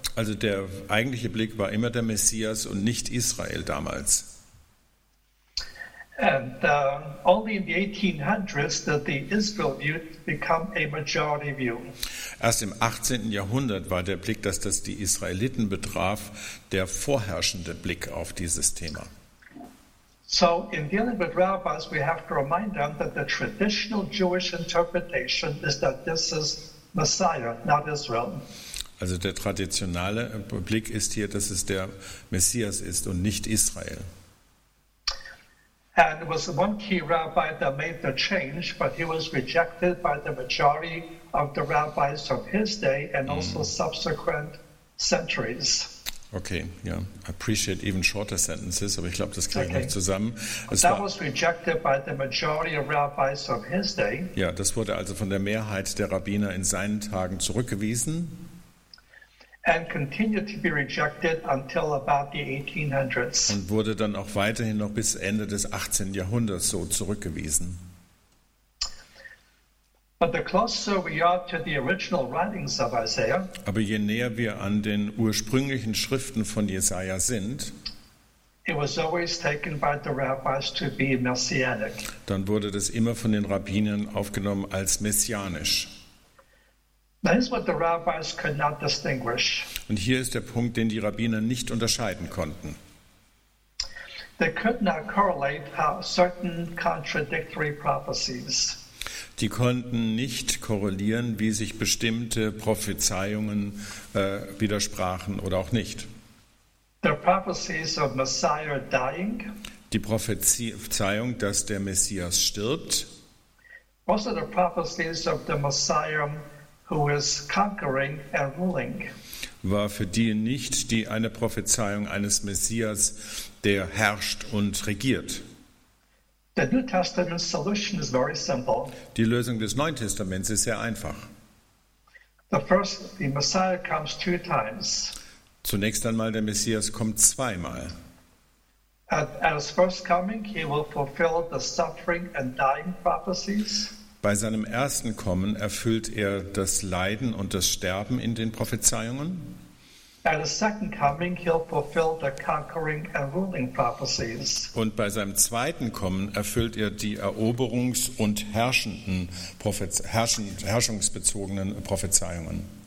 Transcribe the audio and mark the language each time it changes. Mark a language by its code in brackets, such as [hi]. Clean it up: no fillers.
[de] Also der eigentliche Blick war immer der Messias und nicht Israel damals. [en] And only in the 1800s did the Israel view become a majority view. [de] Erst im 18. Jahrhundert war der Blick, dass das die Israeliten betraf, der vorherrschende Blick auf dieses Thema. [en] So in dealing with rabbis, we have to remind them that the traditional Jewish interpretation is that this is Messiah, not Israel. [de] Also der traditionale Blick ist hier, dass es der Messias ist und nicht Israel. [en] And it was one key rabbi that made the change, but he was rejected by the majority of the rabbis of his day and also subsequent centuries. Okay, yeah, I appreciate even shorter sentences, [de] aber ich glaube, das kriege ich nicht zusammen. [en] That was rejected by the majority of rabbis of his day. [de] Ja, das wurde also von der Mehrheit der Rabbiner in seinen Tagen zurückgewiesen. [en] And continued to be rejected until about the 1800s. [de] Und wurde dann auch weiterhin noch bis Ende des 18. Jahrhunderts so zurückgewiesen. [en] But the closer we are to the original writings of Isaiah, [de] aber je näher wir an den ursprünglichen Schriften von Jesaja sind, [en] it was always taken by the rabbis to be messianic. [de] Dann wurde das immer von den Rabbinern aufgenommen als messianisch. [en] That is what the rabbis could not distinguish. [de] Und hier ist der Punkt, den die Rabbiner nicht unterscheiden konnten. [en] They could not correlate certain contradictory prophecies. [de] Die konnten nicht korrelieren, wie sich bestimmte Prophezeiungen widersprachen oder auch nicht. [en] The prophecies of Messiah dying. [de] Die Prophezeiung, dass der Messias stirbt. [en] Also the prophecies of the Messiah who is conquering and ruling. [de] War für die nicht die eine Prophezeiung eines Messias, der herrscht und regiert. [en] The New Testament solution is very simple. [de] Die Lösung des Neuen Testaments ist sehr einfach. [en] The Messiah comes two times. [de] Zunächst einmal, der Messias kommt zweimal. [en] At his first coming, he will fulfill the suffering and dying prophecies. [de] Bei seinem ersten Kommen erfüllt er das Leiden und das Sterben in den Prophezeiungen. [en] At his second coming, he'll fulfill the conquering and ruling prophecies. [de] Und bei seinem zweiten Kommen erfüllt er die eroberungs- und herrschungsbezogenen Prophezeiungen.